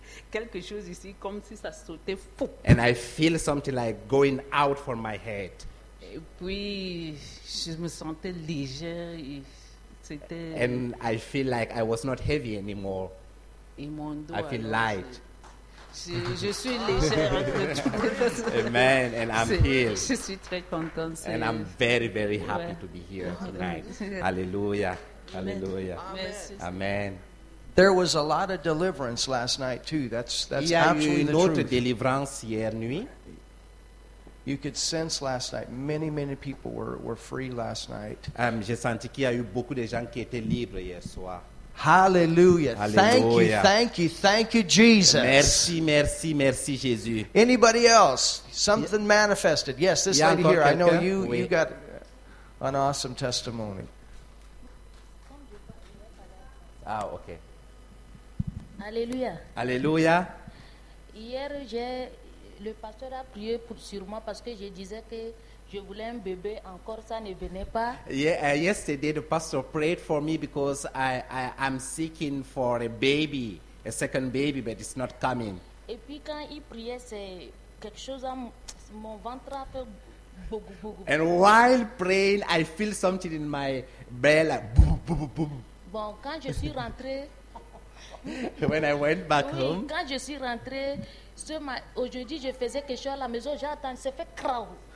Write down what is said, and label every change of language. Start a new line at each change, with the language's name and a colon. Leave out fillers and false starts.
French: Quelque chose ici comme si ça sautait fou.
English: And I feel something like going out from my head.
French: Et puis je me sentais légère. Et
English: and I feel like I was not heavy anymore. I feel light. Amen. And I'm here.
French: Je suis très content,
English: and I'm very, very happy to be here tonight. Hallelujah. Hallelujah. Amen. There was a lot of deliverance last night too. That's absolutely the truth.
French: Délivrance hier nuit.
English: You could sense last night many, many people were free last night.
French: J'ai senti qu'il y a eu beaucoup de gens qui étaient libres hier soir. Hallelujah.
English: Thank you, Jesus.
French: Merci, merci, merci, Jésus.
English: Anybody else? Something manifested. Yes, this lady here.
French: Quelqu'un?
English: I know you
French: oui.
English: You got an awesome testimony.
French: Ah, ok. Alléluia. Alléluia. Hier, le pasteur a prié pour sûrement parce que je disais que je voulais un bébé encore, ça ne venait pas.
English: Yeah, yesterday the pastor prayed for me because I'm seeking for a baby, a second baby, but it's not coming.
French: Et puis quand il priait, c'est quelque chose à mon ventre a fait beaucoup, beaucoup.
English: And while praying, I feel something in my belly, like, boum, boum, boum.
French: Bon, quand je suis rentrée.
English: When I went back
French: oui,
English: home.
French: Quand je suis rentrée, aujourd'hui je faisais quelque chose à la maison, j'attends, c'est fait crau.